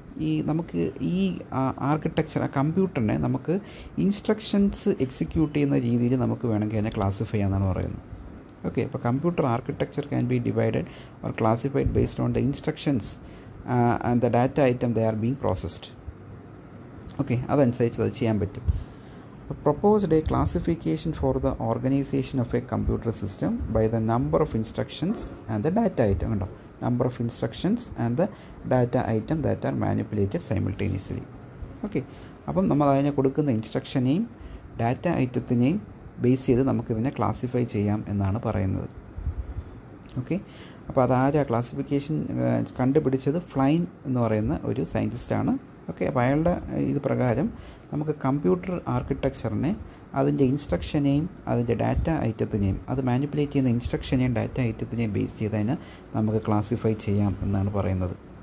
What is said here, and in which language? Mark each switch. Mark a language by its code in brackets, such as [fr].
[ml] ഈ നമുക്ക് ഈ ആർക്കിടെക്ചർ കമ്പ്യൂട്ടറിനെ നമുക്ക് ഇൻസ്ട്രക്ഷൻസ് എക്സിക്യൂട്ട് ചെയ്യുന്ന രീതിയിൽ നമുക്ക് വേണമെങ്കിൽ അതിനെ ക്ലാസിഫൈ ചെയ്യാന്നാണ് പറയുന്നത്. [en] Okay, അപ്പോൾ computer architecture can be divided or classified based on the instructions and the data item they are being processed. [ml] Okay, അതനുസരിച്ച് അത് ചെയ്യാൻ പറ്റും. [en] Proposed a classification for the organization of a computer system by the number of instructions and the data item. Number of instructions and the data item that are manipulated simultaneously. Okay. [ml] അപ്പം നമ്മൾ അതിനെ കൊടുക്കുന്ന ഇൻസ്ട്രക്ഷനെയും data ഐറ്റത്തിനെയും base ചെയ്ത് നമുക്കിതിനെ classify ചെയ്യാം എന്നാണ് പറയുന്നത്. Okay, അപ്പോൾ അതാരാ ക്ലാസിഫിക്കേഷൻ കണ്ടുപിടിച്ചത്? ഫ്ലൈൻ എന്ന് പറയുന്ന ഒരു സയൻറ്റിസ്റ്റാണ്. ഓക്കെ, അപ്പോൾ അയാളുടെ ഇത് പ്രകാരം നമുക്ക് കമ്പ്യൂട്ടർ ആർക്കിടെക്ചറിനെ അതിൻ്റെ ഇൻസ്ട്രക്ഷനെയും അതിൻ്റെ ഡാറ്റ ഐറ്റത്തിനെയും അത് മാനിപ്പുലേറ്റ് ചെയ്യുന്ന ഇൻസ്ട്രക്ഷനെയും ഡാറ്റ ഐറ്റത്തിനെയും ബേസ് ചെയ്തതിനെ നമുക്ക് ക്ലാസിഫൈ ചെയ്യാം എന്നാണ് പറയുന്നത്.